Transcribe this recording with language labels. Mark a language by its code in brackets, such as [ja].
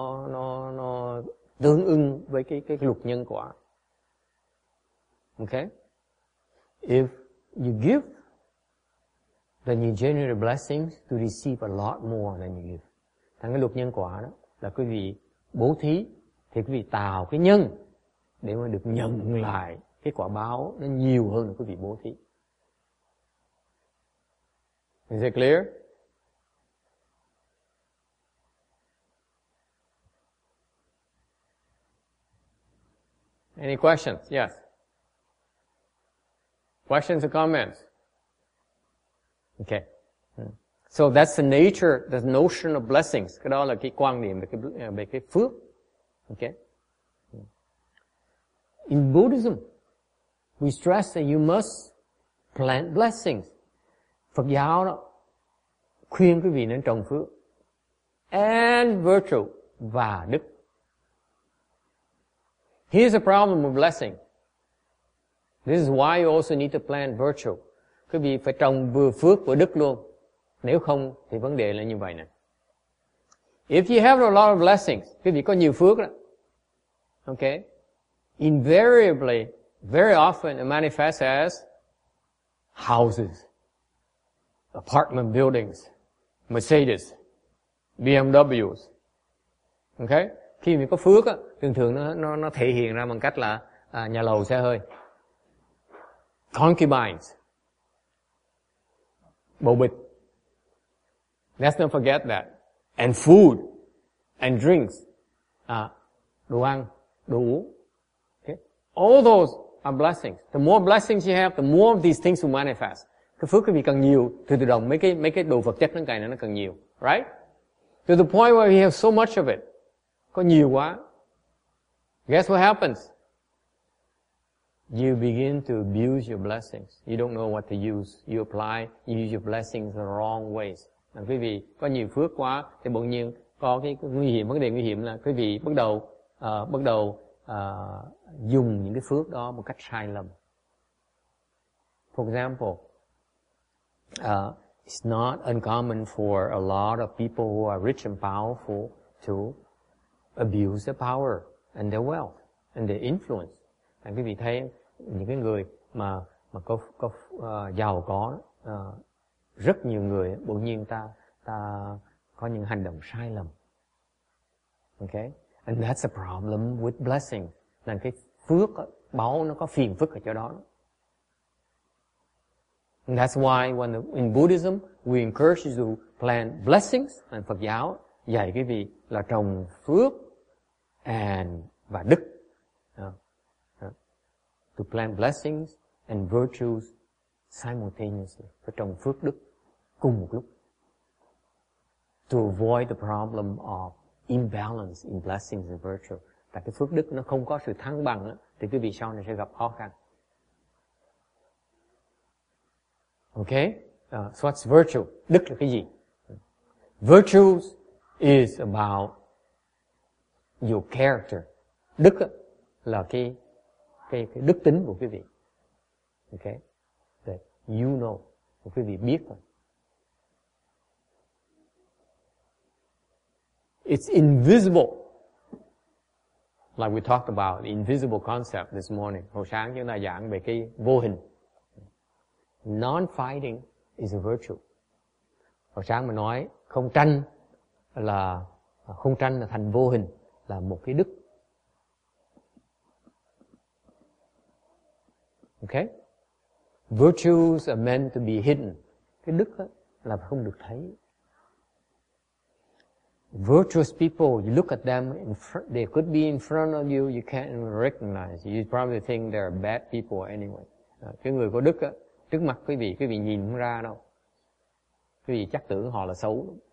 [vi] Nó tương ứng với cái luật nhân quả. [en] Okay? If you give, then you generate blessings to receive a lot more than you give. [vi] Thành cái luật nhân quả đó là quý vị bố thí thì quý vị tạo cái nhân để mà được nhận lại cái quả báo nó nhiều hơn là quý vị bố thí. [en] Is it clear? Any questions? Yes. Questions or comments? Okay. So that's the nature, the notion of blessings. [vi] Cái đó là cái quan điểm về cái phước. [en] Okay. In Buddhism, we stress that you must plant blessings. [vi] Phật giáo đó khuyên quý vị nên trồng phước. [en] And virtue [vi] và đức. [en] Here's the problem with blessing. This is why you also need to plant virtue. [vi] Quý vị phải trồng vừa phước vừa đức luôn. Nếu không thì vấn đề là như vậy nè. [en] If you have a lot of blessings, [vi] quý vị có nhiều phước đó. Okay. [en] Invariably, very often it manifests as houses, apartment buildings, Mercedes, BMWs. Okay? [vi] Khi mình có phước á, thường thường nó thể hiện ra bằng cách là nhà lầu, xe hơi. [en] Concubines. [vi] Bồ bịch. [en] Let's not forget that. And food and drinks. [vi] Đồ ăn, đồ uống. [en] All those are blessings. The more blessings you have, the more of these things will manifest. [vi] Cái phước quý vị càng nhiều, từ từ đồng mấy cái đồ vật chất năng cài nó càng nhiều. [en] Right? To the point where you have so much of it. [vi] Có nhiều quá. [en] Guess what happens? You begin to abuse your blessings. You don't know what to use. You apply, you use your blessings the wrong ways. [vi] Quý vị có nhiều phước quá, thì bỗng nhiên có cái nguy hiểm, vấn đề nguy hiểm là quý vị bắt đầu dùng những cái phước đó một cách sai lầm. [en] For example, it's not uncommon for a lot of people who are rich and powerful to abuse their power and their wealth and their influence. [vi] Anh quý vị thấy những cái người mà có giàu có rất nhiều người bỗng nhiên ta có những hành động sai lầm. [en] Okay? And that's a problem with blessing. [vi] Là cái phước báo nó có phiền phức ở chỗ đó. [en] And that's why when in Buddhism we encourage you to plant blessings. [vi] And Phật giáo dạy quý vị là trồng phước và đức. [en] To plant blessings and virtues simultaneously. [vi] Phải trồng phước đức cùng một lúc. [en] To avoid the problem of imbalance in blessings and virtue. [vi] Tại cái phước đức nó không có sự thăng bằng đó, thì quý vị sau này sẽ gặp khó khăn. [en] Okay? So what's virtue? [vi] Đức là cái gì? [en] Virtue is about your character. [vi] Đức là cái đức tính của quý vị. [en] Okay? That you know. [vi] Quý vị biết rồi. [en] It's invisible. Like we talked about the invisible concept this morning. [vi] Hồi sáng chúng ta giảng về cái vô hình. [en] Non-fighting is a virtue. [vi] Hồi sáng mình nói không tranh là thành vô hình, là một cái đức. [en] Okay? Virtues are meant to be hidden. [vi] Cái đức là không được thấy. [en] Virtuous people, you look at them, they could be in front of you, you can't even recognize. You probably think they're bad people anyway. [vi] Cái người có đức á, trước mặt quý vị nhìn không ra đâu. Quý vị chắc tưởng họ là xấu.